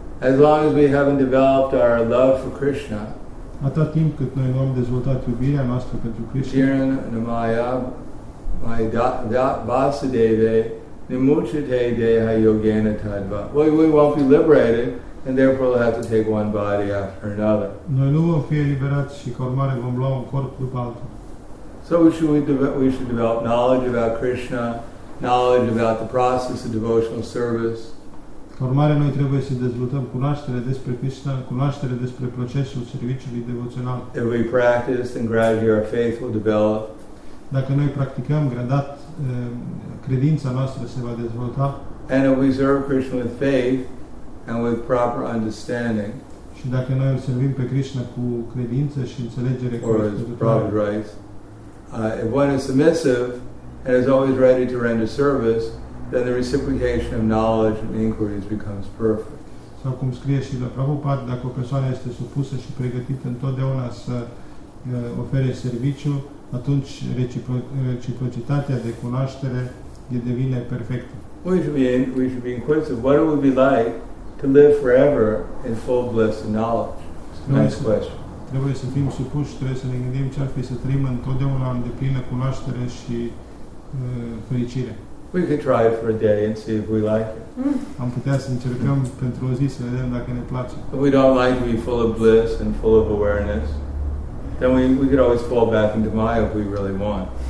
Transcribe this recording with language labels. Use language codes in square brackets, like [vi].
[en] As long as we haven't developed our love for Krishna, [ro] atât timp cât noi nu am dezvoltat iubirea noastră pentru Krishna, [sa] prithirna maya mai vasudeve nimuchite deha yogena tadva. [en] We won't be liberated, and therefore we'll have to take one body after another. [ro] Noi nu vom fi eliberați și ca urmare vom lua un corp după altul. [en] So we should develop knowledge about Krishna, knowledge about the process of devotional service. [ro] Ca urmare noi trebuie să dezvoltăm cunoaștere despre Krishna, cunoaștere despre procesul serviciului devoțional. [en] If we practice, then gradually our faith will develop. [ro] Dacă noi practicăm, gradat, credința noastră se va dezvolta. [en] And if we serve Krishna with faith and with proper understanding, [ro] și dacă noi îl servim pe Krishna cu credință și înțelegere, [en] or as Prabhupada writes, if one is submissive and is always ready to render service, then the reciprocation of knowledge and inquiries becomes perfect. [ro] Sau cum scrie și la Prabhupada, dacă o persoană este supusă și pregătită întotdeauna să ofere serviciu, atunci reciprocitatea de cunoaștere devine perfectă. [en] We should be inquisitive. What it would be like to live forever in full bliss and knowledge? Next question. [ro] Trebuie să fim supuși, trebuie să ne gândim ce ar fi să trăim întotdeauna în deplină cunoaștere și fericire. [en] We could try it for a day and see if we like it. [ro] Am putea să încercăm pentru o zi să vedem dacă ne place. [en] But we don't like to be full of bliss and full of awareness. then we could always fall back into Maya if we really want.